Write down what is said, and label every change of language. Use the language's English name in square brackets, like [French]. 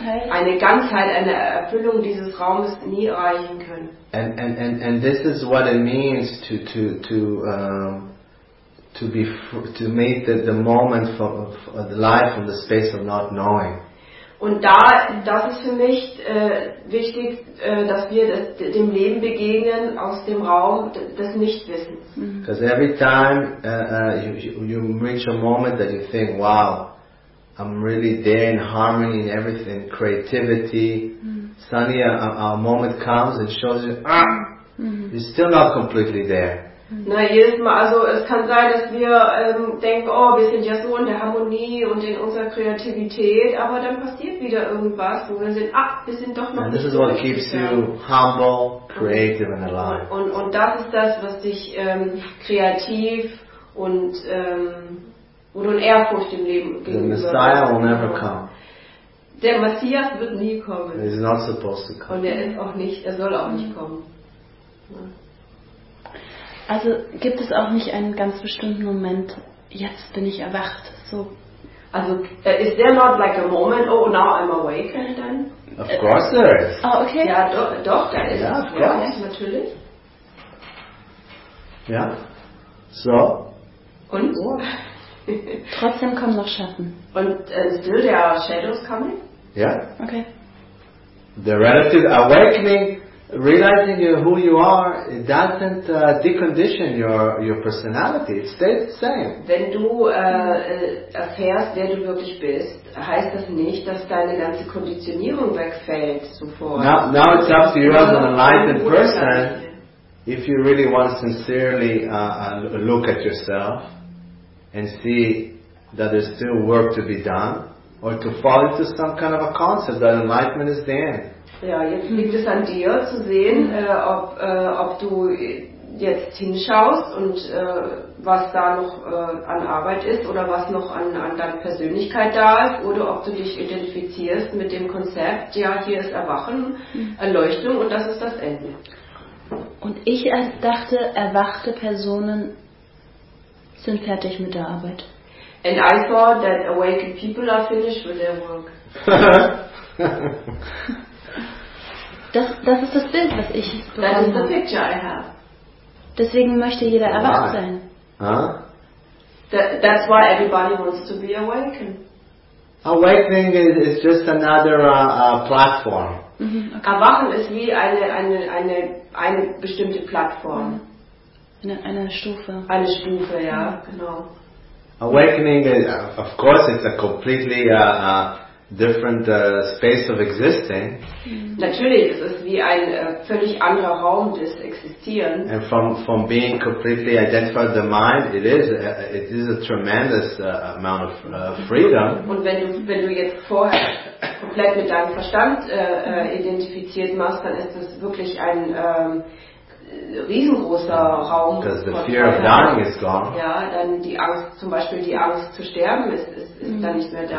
[German] Eine Ganzheit, eine Erfüllung dieses Raumes nie erreichen können. [English] And this is what it means to meet the moment for the life from the space of not knowing. [German] Und das ist für mich wichtig, dass wir dem Leben begegnen aus dem Raum des Nichtwissens. [English] Because every time you reach a moment that you think, wow, I'm really there in harmony and everything, creativity, suddenly a moment comes and shows you, you're still not completely there. [German] Na, jedes Mal, also es kann sein, dass wir denken, oh, wir sind ja so in der Harmonie und in unserer Kreativität, aber dann passiert wieder irgendwas, wo wir sind, wir sind doch noch [English] And this is what keeps you humble, creative and alive. [German] Und das ist das, was dich kreativ und in Ehrfurcht im Leben gegenüber. [English] The Messiah will never come. [German] Der Messias wird nie kommen. [English] He's not supposed to come. [German] Und er soll auch nicht kommen. Also gibt es auch nicht einen ganz bestimmten Moment, jetzt bin ich erwacht, so. [English] Also, is there not like a moment, oh, now I'm awake, and then? Of course there is. Oh, okay. [German] Ja, doch, da ist es. Ja, [English] of course. [German] Ja, natürlich. Ja. So. Und? Oh. Trotzdem kommen noch Schatten. [English] Und still there are shadows coming? [German] Ja. [English] Okay. The relative awakening. Realizing who you are, it doesn't decondition your personality. It stays the same. [German] Wenn du erfährst, wer du wirklich bist, heißt das nicht, dass deine ganze Konditionierung wegfällt sofort. [English] Now it's up to you as an enlightened person, if you really want to sincerely look at yourself and see that there's still work to be done, or to fall into some kind of a concept that enlightenment is the end. [German] Ja, jetzt liegt es an dir zu sehen, ob du jetzt hinschaust und was da noch an Arbeit ist oder was noch an deiner Persönlichkeit da ist oder ob du dich identifizierst mit dem Konzept, ja, hier ist Erwachen, Erleuchtung und das ist das Ende. Und ich dachte, erwachte Personen sind fertig mit der Arbeit. [English] And I thought that awakened people are finished with their work. [German] Das ist das Bild, was ich bekomme. [English] That is the picture I have. [German] Deswegen möchte jeder erwacht sein. Huh? [English] That's why everybody wants to be awakened. Awakening is just another platform. [German] Mm-hmm, okay. Erwachen ist wie eine bestimmte Plattform. Eine Stufe. Eine Stufe, ja, genau. [English] Awakening is, of course, it's a completely different space of existing. [German] Natürlich, es ist wie ein völlig anderer Raum des Existierens. [English] And from being completely identified with the mind, it is a tremendous amount of freedom. [German] Und wenn du jetzt vorher komplett mit deinem Verstand identifiziert machst, dann ist das wirklich ein riesengroßer Raum. [English] Because the fear of dying is gone. [German] Ja, dann die Angst, zum Beispiel die Angst zu sterben, ist dann nicht mehr da.